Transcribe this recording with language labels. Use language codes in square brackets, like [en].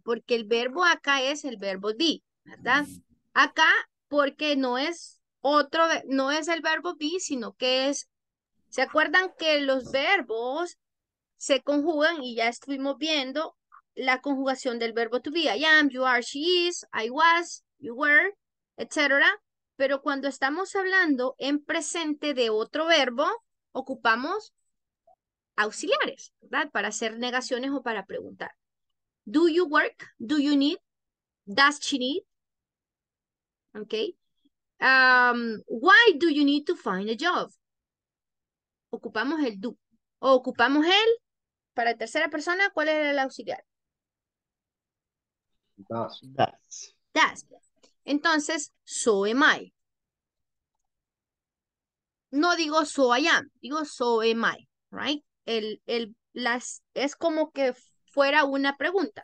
[es] porque el verbo acá es el verbo be, ¿verdad? Acá, porque no es otro, no es el verbo be, sino que es, ¿se acuerdan que los verbos se conjugan? Y ya estuvimos viendo la conjugación del verbo to be. [en] I am, you are, she is, I was, you were, etc. [es] Pero cuando estamos hablando en presente de otro verbo, ocupamos auxiliares, ¿verdad? Para hacer negaciones o para preguntar. [en] Do you work? Do you need? Does she need? Okay. Why do you need to find a job? [es] Ocupamos el do. O ocupamos el, para tercera persona, ¿cuál es el auxiliar? [en] Does. Entonces, so am I. [es] No digo [en] so I am, [es] digo [en] so am I, right? [es] Es como que fuera una pregunta.